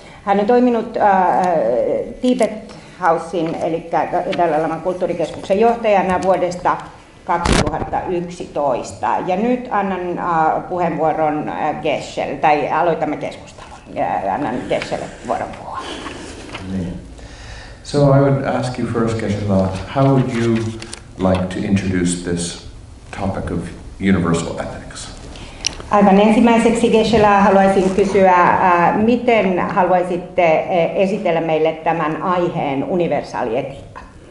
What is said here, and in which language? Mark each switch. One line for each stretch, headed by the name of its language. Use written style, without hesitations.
Finnish: Hän on toiminut Tibet Housein, eli Dalai Laman kulttuurikeskuksen johtajana vuodesta 2011. Ja nyt annan puheenvuoron Geshelle, tai aloitamme keskustelun. Annan Geshelle vuoron puhua.
English: So I would ask you first, Geshe La, how would you like to introduce this topic of universal ethics?
Finnish: Aivan ensimmäiseksi, Geshe La, haluaisin kysyä, miten haluaisitte esitellä meille tämän aiheen universaali etiikka?